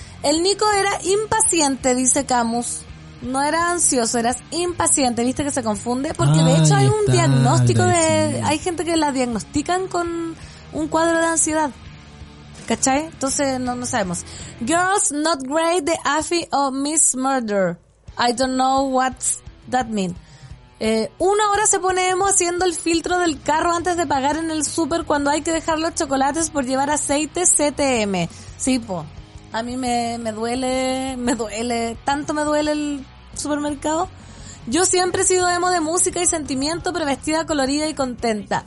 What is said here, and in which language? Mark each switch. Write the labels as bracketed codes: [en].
[es] El Nico era impaciente, dice Camus. No era ansioso, eras impaciente. ¿Viste que se confunde? Porque de hecho hay un diagnóstico de... Hay gente que la diagnostican con un cuadro de ansiedad, ¿cachai? Entonces no sabemos. Girls Not Great de Afi o Miss Murder. [en] I don't know what that mean. [es] Una hora se pone emo haciendo el filtro del carro antes de pagar en el super cuando hay que dejar los chocolates por llevar aceite CTM. Sí, po. A mí me duele. Tanto me duele el supermercado. Yo siempre he sido emo de música y sentimiento, pero vestida colorida y contenta.